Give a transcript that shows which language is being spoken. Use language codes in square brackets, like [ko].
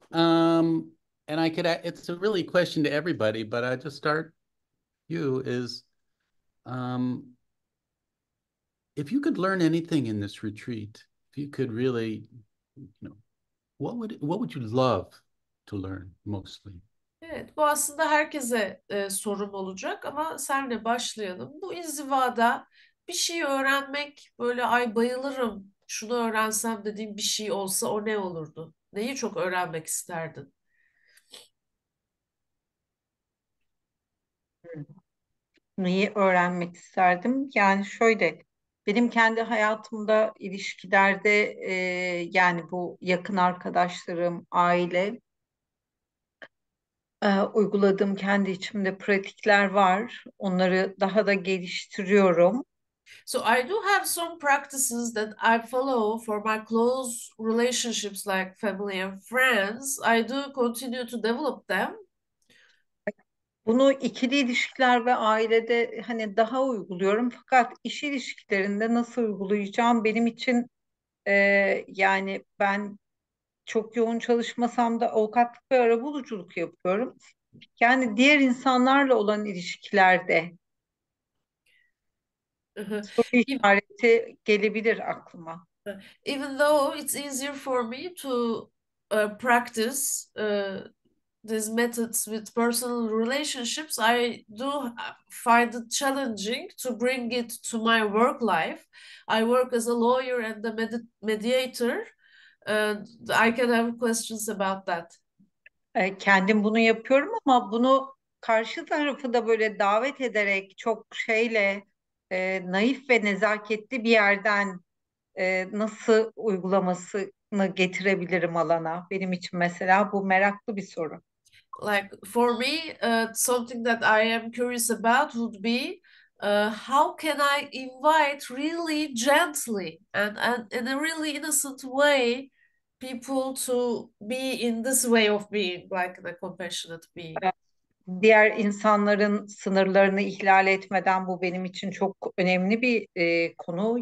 [en] And I could, it's a really question to everybody, but I just start you is, if you could learn anything in this retreat, if you could really, what would you love to learn mostly? [tr] Evet, bu aslında herkese sorum olacak ama senle başlayalım. Bu inzivada bir şey öğrenmek böyle ay bayılırım şunu öğrensem dediğim bir şey olsa o ne olurdu? Neyi çok öğrenmek isterdin? Neyi öğrenmek isterdim? Yani şöyle, benim kendi hayatımda ilişkilerde yani bu yakın arkadaşlarım, aile uyguladığım kendi içimde pratikler var. Onları daha da geliştiriyorum. [en] So I do have some practices that I follow for my close relationships like family and friends. I do continue to develop them. [tr] Bunu ikili ilişkiler ve ailede hani daha uyguluyorum. Fakat iş ilişkilerinde nasıl uygulayacağım benim için yani ben çok yoğun çalışmasam da avukatlık ve arabuluculuk yapıyorum. Yani diğer insanlarla olan ilişkilerde soru işareti gelebilir aklıma. [en] Even though it's easier for me to practice these methods with personal relationships, I do find it challenging to bring it to my work life. I work as a lawyer and a mediator, and I can have questions about that. [tr] Kendim bunu yapıyorum ama bunu karşı tarafı da böyle davet ederek çok şeyle naif ve nezaketli bir yerden nasıl uygulamasını getirebilirim alana? Benim için mesela bu meraklı bir soru. [en] Like for me, something that I am curious about would be how can I invite really gently and in a really innocent way people to be in this way of being, like the compassionate being. [tr] Diğer insanların sınırlarını ihlal etmeden bu benim için çok önemli bir konu.